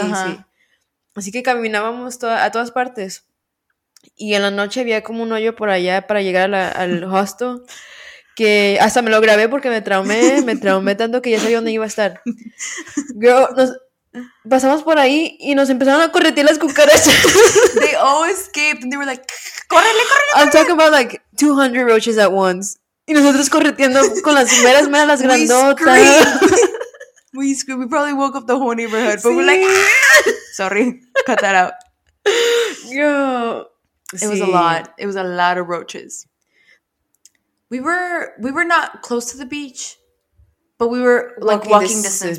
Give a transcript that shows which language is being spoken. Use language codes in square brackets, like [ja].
[es] uh-huh. Así que caminábamos a todas partes. Y en la noche había como un hoyo por allá para llegar al hostel, que hasta me lo grabé porque me traumé tanto que ya sabía dónde iba a estar. Girl, nos pasamos por ahí y nos empezaron a corretear las cucarachas. [en] They all escaped and they were like, [es] ¡córrele, córrele! [en] I'm talking about like 200 roaches at once. [es] Y nosotros correteando con las meras, meras, las grandotas. [en] We screamed. We probably woke up the whole neighborhood, but sí. We're like, sorry, cut that out. Girl. It was a lot. It was a lot of roaches. We were not close to the beach, but we were like walking distance.